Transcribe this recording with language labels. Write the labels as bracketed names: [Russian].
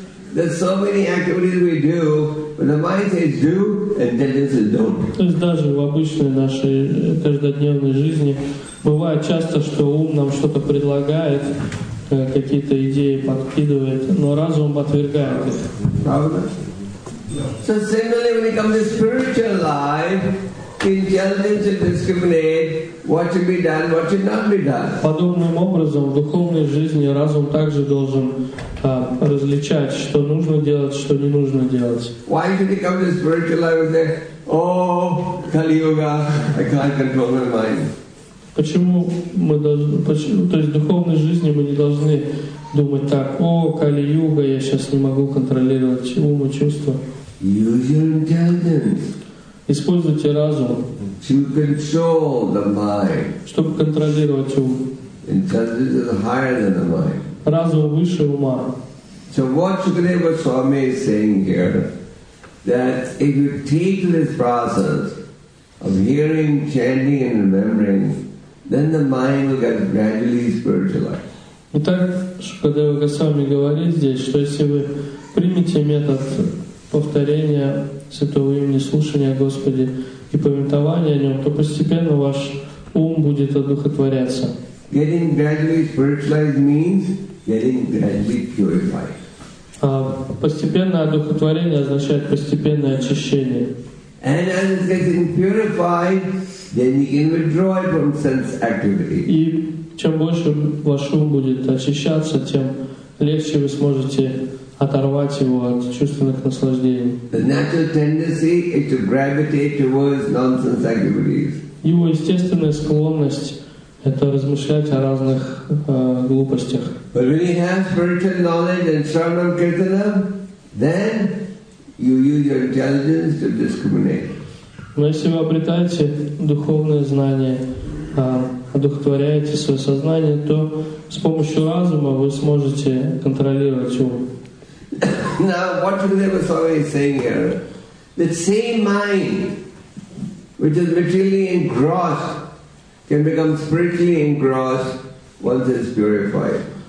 [English] There's so many activities we do, but the mind says do, and then this is don't. [Russian] То есть даже в обычной нашей каждодневной жизни бывает часто, что ум нам что-то предлагает, какие-то идеи подкидывает, но разум отвергает их. [English] So similarly, when it comes to spiritual life, intelligence will discriminate what should be done, what should not be done. [Russian] Подобным образом в духовной жизни разум также должен различать, что нужно делать, что не нужно делать. [English] Why did he come to spiritual life and say, oh, Kali Yuga, I can't control my mind? [Russian] Почему мы должны, почему, то есть в духовной жизни мы не должны думать так, о, Кали Юга, я сейчас не могу контролировать ум и чувства. [English] Use your intelligence. [Russian] Используйте разум. [English] To control the mind. [Russian] Чтобы контролировать ум. [English] Intelligence is higher than the mind. [Russian] Разум выше ума. [English] So what Shukadeva Swami is saying here, that if you take this process of hearing, chanting, and remembering, then the mind will get gradually spiritualized. [Russian] Итак, Шукадева Госвами говорит здесь, что если вы примете метод повторения святого имени, слушания Господи и памятования о нем, то постепенно ваш ум будет одухотворяться. [English] Getting gradually spiritualized means getting gradually purified. [Russian] Постепенное одухотворение означает постепенное очищение. [English] And as it gets purified, then you can withdraw from sense activity. [Russian] И чем больше ваш ум будет очищаться, тем легче вы сможете оторвать его от чувственных наслаждений. [English] The natural tendency is to gravitate towards nonsense activities. [Russian] Его естественная склонность это размышлять о разных глупостях. [English] But when you have spiritual knowledge and sharanam kirtanam, then you use your intelligence to discriminate. [Russian] Но если вы обретаете духовное знание, одухотворяете свое сознание, то с помощью разума вы сможете контролировать ум. [English] Now, what Shukadeva Swami is saying here, that same mind, which is materially engrossed, can become spiritually engrossed once it is purified.